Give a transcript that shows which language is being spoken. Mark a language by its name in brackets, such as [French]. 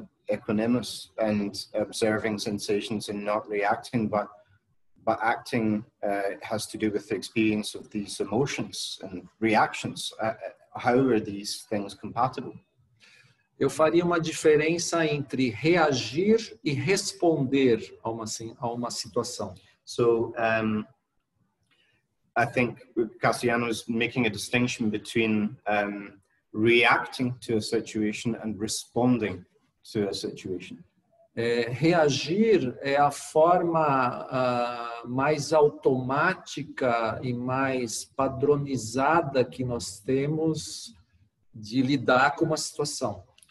[English] equanimous and observing sensations and not reacting, but acting has to do with the experience of these emotions and reactions. How are these things compatible? [Portuguese] Eu faria uma diferença entre reagir e responder a uma situação. [English] So, I think Cassiano is making a distinction between reacting to a situation and responding to a situation. [Portuguese] Reagir é a forma mais automática e mais padronizada que nós temos de lidar com uma situação.